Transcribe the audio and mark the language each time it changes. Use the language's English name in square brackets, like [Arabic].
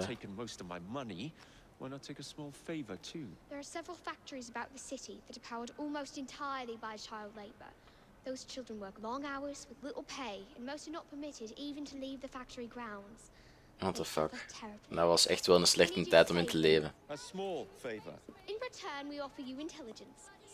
[English] You've taken most of my money. Why not take a small favor too? There are several factories about the city that are powered almost entirely by child labor. Those children work long hours with little pay, and most are not permitted even to leave the factory grounds. What the fuck? [Dutch] Dat was echt wel een slechte tijd om in te leven. [English] A small favor. In return, we offer you intelligence.